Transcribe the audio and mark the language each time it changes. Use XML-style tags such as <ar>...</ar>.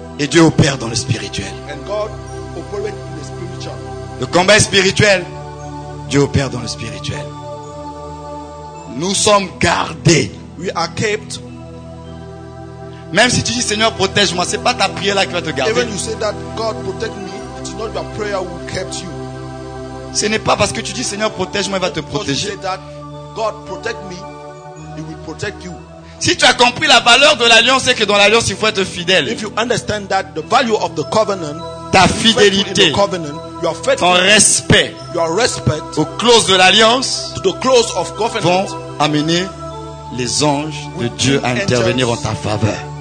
<fr>Et Dieu opère dans le spirituel.</fr> <en>And God operates in the spiritual.</en> <fr>Le combat est spirituel. Dieu opère dans le spirituel. Nous sommes gardés.</fr> <en>We are kept.</en> <fr>Même si tu dis Seigneur protège-moi, c'est pas ta prière là qui va te garder.</fr> <en>Even you say that God protect me, it is not your prayer who kept you.</en> <fr>Ce n'est pas parce que tu dis Seigneur protège-moi, il va te protéger.</fr> <en>You say that God protect me, he will protect you.</en> <fr>Si tu as compris la valeur de l'alliance, c'est que dans l'alliance il faut être fidèle.</fr> <en>If you understand that the value of the covenant,</en> <fr>ta fidélité,</fr> <en>the covenant, your faith,</en> <fr>ton respect,</fr> <en>your respect,</en> <fr>aux clauses de l'alliance,</fr> <en>to the clause of covenant,</en> <fr>vont amener les anges de Dieu à intervenir en ta faveur.</fr>